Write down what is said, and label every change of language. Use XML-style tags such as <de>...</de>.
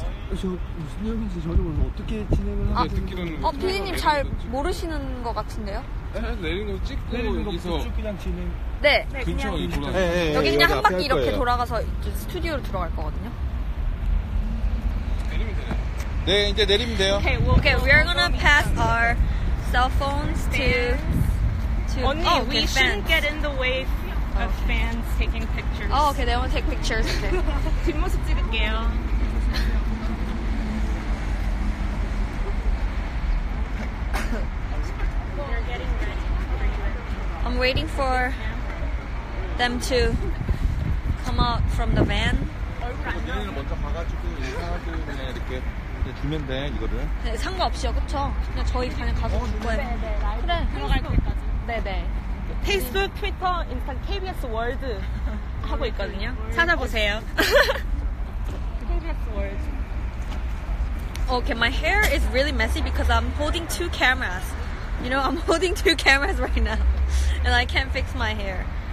<ko>저 무슨 얘기인지 저도 모르고 어떻게 진행을 하는지 듣기로는 어 PD님 잘 모르시는 것 같은데요? 네 내린 거 찍고 내린 거 쭉 그냥 진행 네 근처 네, 그냥 네, 네, 여기 그냥 한 바퀴 이렇게 거예요. 돌아가서 스튜디오로 들어갈 거거든요. 내리면 돼요. 네 이제 내리면 돼요.</ko> <en>Okay, we are gonna pass our cell phones to only oh, we shouldn't get in the way of fans taking pictures. Oh, okay, they want to take pictures. Okay.</en> <ko>뒷모습 찍을게요.</ko> <en>I'm waiting for them to come out from the van.</en> <ko>본인을 먼저 봐가지고 인사하고 그냥 이렇게 이제 주면 돼 이거를. 네 상관없이요, 그렇죠? 그냥 저희 그냥 가서 줄 거예요. 네네. 그래. 네네. 페이스북, 트위터, 인스타, KBS 월드 하고 있거든요. 찾아보세요. KBS 월드.</ko> <en>Okay, my hair is really messy because I'm holding two cameras. You know, I'm holding two cameras right now. And I can't fix my hair.</en>